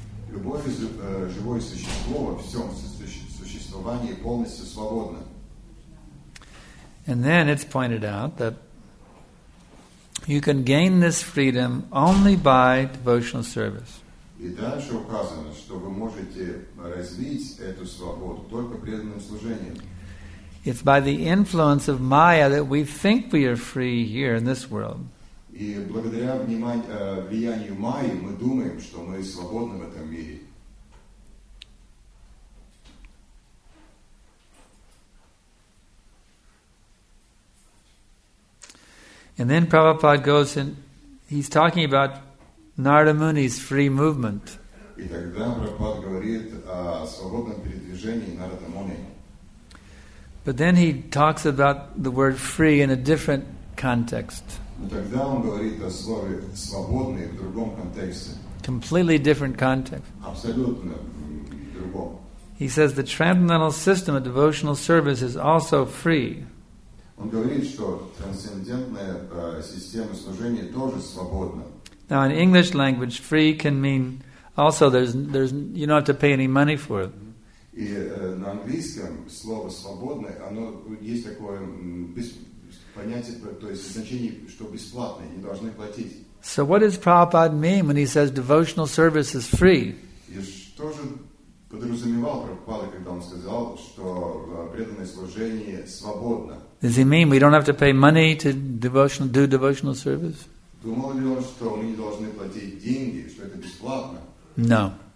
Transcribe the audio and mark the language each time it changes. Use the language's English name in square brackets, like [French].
[Russian] Любое живое существо во всем существовании полностью свободно. [English] And then it's pointed out that you can gain this freedom only by devotional service. [Russian] И дальше указано, что вы можете развить эту свободу только преданным служением. [English] It's by the influence of Maya that we think we are free here in this world. [Russian] И благодаря влиянию Майи мы думаем, что мы свободны в этом мире. [English] And then Prabhupada goes and he's talking about Narada Muni's free movement. [Russian] И тогда Прабхупада говорит о свободном передвижении Нарада Муни. [English] But then he talks about the word free in a different context. [Russian] Но тогда он говорит о слове свободный в другом контексте. [English] Completely different context. [Russian] Абсолютно другом. [English] He says the transcendental system of devotional service is also free. [Russian] Он говорит, что трансцендентная система служения тоже свободна. [English] Now in English language, free can mean also there's you don't have to pay any money for it. [Russian] И на английском слово свободное, оно есть такое понятие, то есть значение, что бесплатное, не должны платить. [English] So what does Prabhupada mean when he says devotional service is free? [Russian] И что же подразумевал Прабхупада, когда он сказал, что преданное служение свободно? [English] Does he mean we don't have to pay money to do devotional service? [Russian] Думал ли он, что мы не должны платить деньги, что это бесплатно? [English] No.